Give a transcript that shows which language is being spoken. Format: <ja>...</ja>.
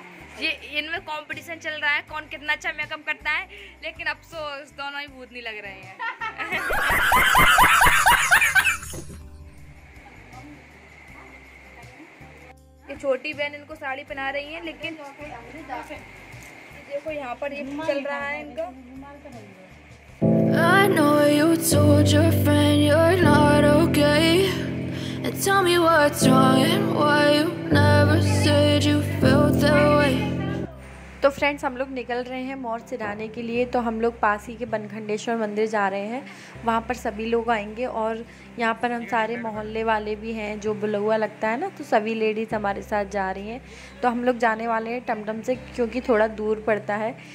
<hi>Competition चल रहा है कौन कितना अच्छा मेकअप करता है, लेकिन अफसोस दोनों ही भूतनी लग रहे हैं। छोटी बहन इनको साड़ी पहना रही है, लेकिन देखो यहाँ पर ये चल रहा है इनका।</hi> <en>I know you told your friend you're not okay and tell me what's wrong and why you never said you felt that way।</en> <hi>तो फ्रेंड्स, हम लोग निकल रहे हैं मौर सिराने के लिए। तो हम लोग पास ही के बनखंडेश्वर मंदिर जा रहे हैं, वहाँ पर सभी लोग आएंगे और यहाँ पर हम सारे मोहल्ले वाले भी हैं जो बुलौआ लगता है ना, तो सभी लेडीज़ हमारे साथ जा रही हैं। तो हम लोग जाने वाले हैं टमटम से क्योंकि थोड़ा दूर पड़ता है।</hi>